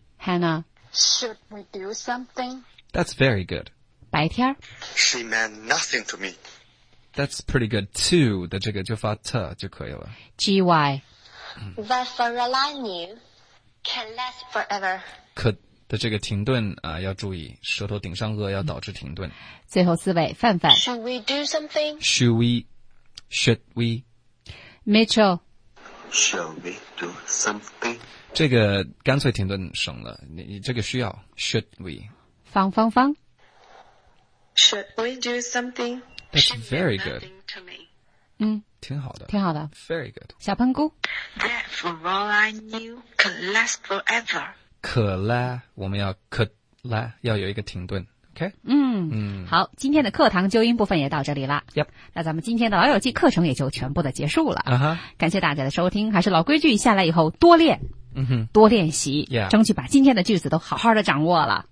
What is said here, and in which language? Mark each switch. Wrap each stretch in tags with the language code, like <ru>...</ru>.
<en>Hannah。 Should we do something? That's very good.</en> <zh>白天。</zh> <en>She meant nothing to me. That's pretty good too,</en> <zh>的这个就发 t 就可以了。</zh> <en>GY。 That for all I knew, can last forever. Could.</en> <zh>的这个停顿啊、要注意舌头顶上颚要导致停顿。最后四位范范。</zh> <en>Should we do something? Should we? Mitchell. Should we do something?</en> <zh>这个干脆停顿省了，你这个需要</zh> <en>should we?</en> <zh>方方方。</zh> <en>Should we do something? That's very good. 嗯，</en> <zh>挺好的。挺好的。</zh> <en>Very good.</en> <zh>小喷菇。</zh> <en>That for all I knew could last forever.</en> <zh>可拉，我们要可拉，要有一个停顿 ，OK？嗯嗯，好，今天的课堂纠音部分也到这里了。 Yep，那咱们今天的老友记课程也就全部的结束了。啊哈，感谢大家的收听，还是老规矩，下来以后多练，嗯哼，多练习， yeah. 争取把今天的句子都好好的掌握了。</zh>